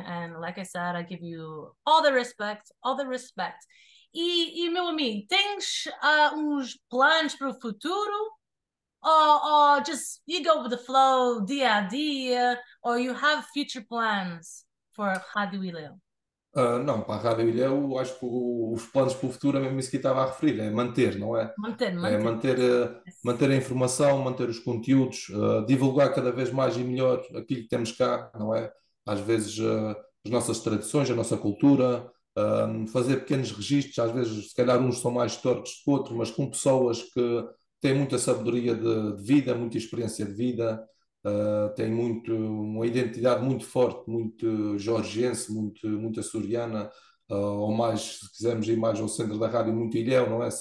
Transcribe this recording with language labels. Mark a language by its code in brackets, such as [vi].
[en] And like I said, I give you all the respect, all the respect. [pt] E meu amigo, tens uns planos para o futuro? Ou [en] just you go with the flow, [pt] dia a dia, [en] or you have future plans for Rádio Ilha? [pt] Não, para a Rádio Ilhéu, acho que os planos para o futuro é mesmo isso que estava a referir, é manter, não é? É Manter. manter a informação, manter os conteúdos, divulgar cada vez mais e melhor aquilo que temos cá, não é? Às vezes as nossas tradições, a nossa cultura, fazer pequenos registros, às vezes se calhar uns são mais históricos que outros, mas com pessoas que têm muita sabedoria de vida, muita experiência de vida, têm muito, uma identidade muito forte, muito jorgense, muito açoriana, ou mais, se quisermos ir mais ao centro da rádio, muito Ilhéu, não é?